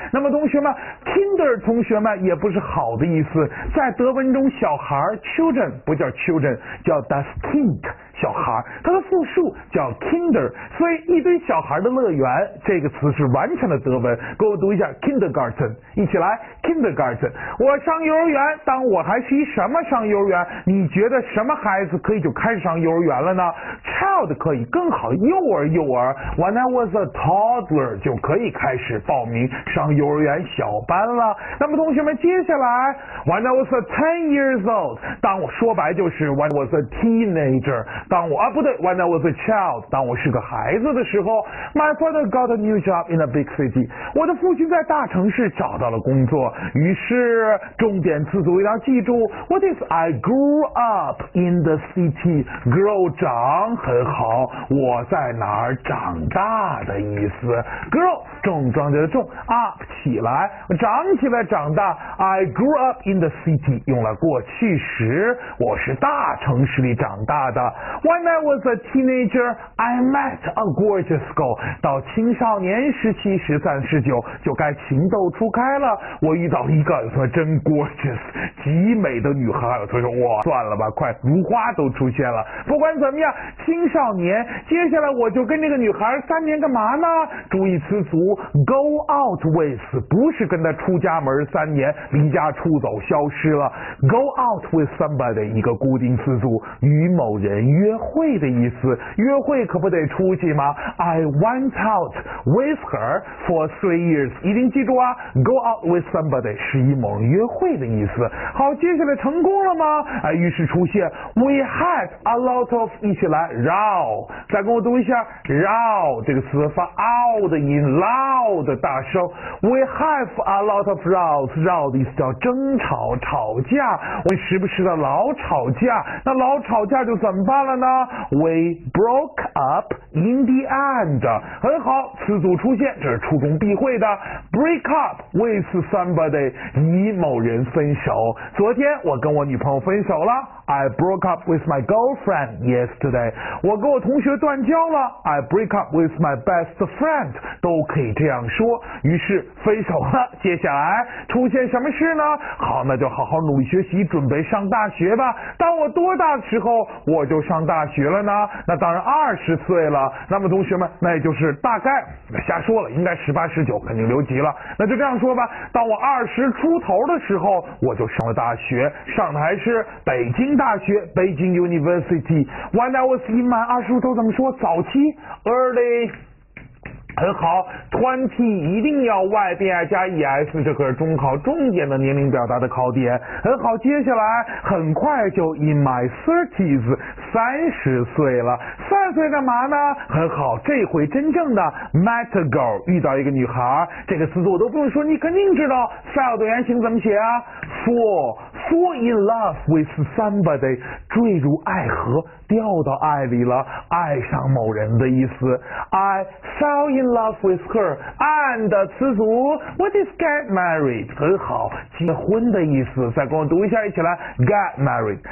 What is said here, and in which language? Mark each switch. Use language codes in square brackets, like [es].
[zh] 那么同学们， kinder 同学们也不是好的意思，在德文中小孩 children 不叫 children， 叫 das Kind， 小孩，它的复数叫 kinder， 所以一堆小孩的乐园这个词是完全的德文。给我读一下 kindergarten， 一起来 kindergarten。我上幼儿园，当我还是一什么上幼儿园，你觉得什么孩子可以就开始上幼儿园了呢？ child 可以，更好幼儿，幼儿 [en] when I was a toddler [zh] 就可以开始报名上幼儿园小班了。那么同学们，接下来 [en] When I was a 10 years old， [zh] 当我说白就是 [en] When I was a teenager， [zh] 当我啊不对 [en] When I was a child， [zh] 当我是个孩子的时候， [en] My father got a new job in a big city， [zh] 我的父亲在大城市找到了工作。于是重点词组要记住， [en] What is I grew up in the city， [zh] grow 长，很好，我在哪儿长大的意思。 grow 重装着的重， up 起来，长起来，长大。 [en] I grew upin the city [zh] 用了过去时，我是大城市里长大的。 [en] When I was a teenager I met a gorgeous girl， [zh] 到青少年时期十三十九就该情窦初开了，我遇到一个说真 gorgeous 极美的女孩，所以说哇算了吧，快如花都出现了。不管怎么样，青少年，接下来我就跟这个女孩三年干嘛呢？注意词组 [en] go out with， [zh] 不是跟她出家门三年，离家出走消失了。 [en] go out with somebody [zh] 一个固定词组，与某人约会的意思。约会可不得出去吗？ [en] I went out with her for 3 years， [zh] 一定记住啊， [en] go out with somebody [zh] 是与某人约会的意思。好，接下来成功了吗？于是出现 [en] we had a lot of， [zh] 一起来 row， 再跟我读一下 row， 这个词发 ow 的音， loud 大声。 [en] we have a lot of rows， [zh] row 的意思叫争吵，吵架，我们时不时的老吵架，那老吵架就怎么办了呢？ [en] We broke up in the end， [zh] 很好，词组出现，这是初中必会的。 [en] Break up with somebody， [zh] 与某人分手，昨天我跟我女朋友分手了。 [en] I broke up with my girlfriend yesterday， [zh] 我跟我同学断交了。 [en] I break up with my best friend， [zh] 都可以这样说。于是分手了，接下来出现什么事呢？好，那就好好努力学习，准备上大学吧。当我多大的时候我就上大学了呢？那当然20岁了。那么同学们，那也就是大概瞎说了，应该18、19肯定留级了。那就这样说吧，当我20出头的时候我就上了大学，上的还是北京大学，北京 University。 [en] When I was in my [zh] 20出头怎么说？早期 early，很好， 20 一定要 Y 变 I 加 ES， 这可是中考重点的年龄表达的考点。很好，接下来很快就 in my 30s， 30岁了。30岁干嘛呢？很好，这回真正的 [en] met a girl， [zh] 遇到一个女孩。这个词组我都不用说，你肯定知道 fell 的原型怎么写啊， [en] fall in love with somebody， [zh] 坠入爱河，掉到爱里了，爱上某人的意思。 [en] I fell in love with her and [zh] 词组 [en] What is get married？ [zh] 很好，结婚的意思。再跟我读一下，一起来 [en] get married。